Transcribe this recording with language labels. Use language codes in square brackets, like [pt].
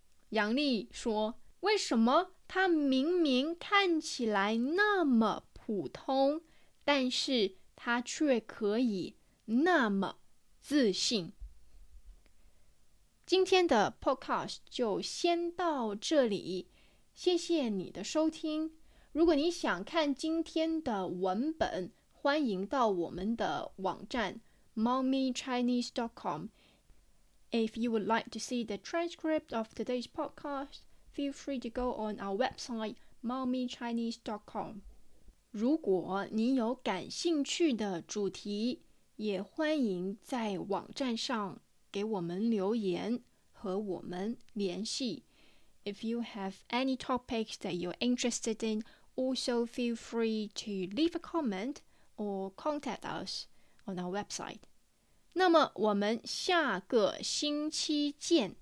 [zh] 杨丽说为什么他明明看起来那么普通但是他却可以那么自信。今天的 podcast 就先到这里，谢谢你的收听。如果你想看今天的文本，欢迎到我们的网站 [en] mommychinese.com. If you would like to see the transcript of today's podcast, feel free to go on our website mommychinese.com. [zh] 如果你有感兴趣的主题，也欢迎在网站上给我们留言和我们联系。 [en] If you have any topics that you're interested in, also feel free to leave a comment or contact us on our website. [zh] 那么我们下个星期见。